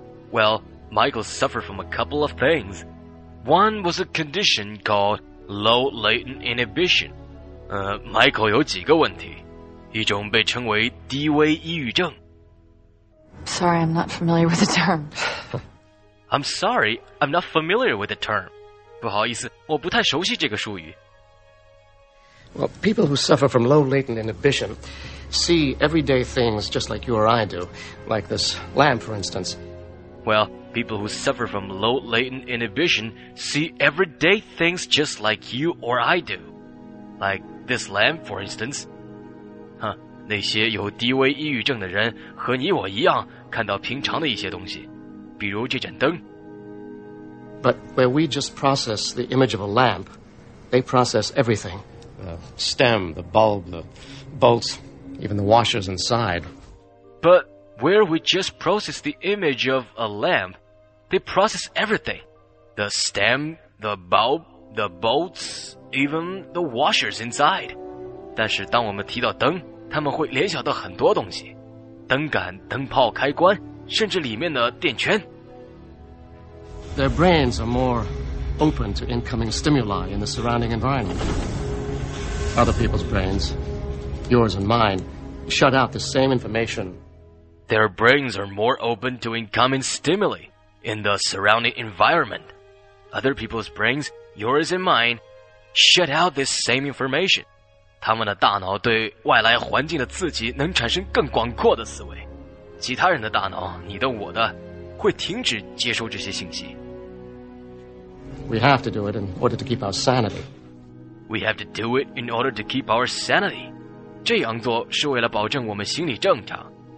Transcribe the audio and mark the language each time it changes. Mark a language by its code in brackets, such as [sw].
[en] Well... Michael suffered from a couple of things. One was a condition called low latent inhibition. [zh] Michael 有几个问题，一种被称为低微抑郁症。 [en] Sorry, I'm not familiar with the term. I'm sorry, I'm not familiar with the term. [zh] 不好意思，我不太熟悉这个术语。 [en] Well, people who suffer from low latent inhibition see everyday things just like you or I do, like this lamp, for instance. Well,People who suffer from low latent inhibition see everyday things just like you or I do. Like this lamp, for instance. [zh] 那些有低微抑郁症的人和你我一样看到平常的一些东西，比如这盏灯。 [en] But where we just process the image of a lamp, they process everything. The stem, the bulb, the bolts, even the washers inside. But where we just process the image of a lamp,They process everything. The stem, the bulb, the bolts, even the washers inside. [zh] 但是当我们提到灯，他们会联想到很多东西。灯杆、灯泡、开关，甚至里面的电圈。 [en] Their brains are more open to incoming stimuli in the surrounding environment. Other people's brains, yours and mine, shut out the same information. Their brains are more open to incoming stimuli. In the surrounding environment, other people's brains, yours and mine, shut out this same information. [zh] 他们的大脑对外来环境的刺激能产生更广阔的思维。其他人的大脑，你的我的，会停止接收这些信息。 [en] We have to do it in order to keep our sanity. We have to do it in order to keep our sanity. [zh] 这样做是为了保证我们心理正常。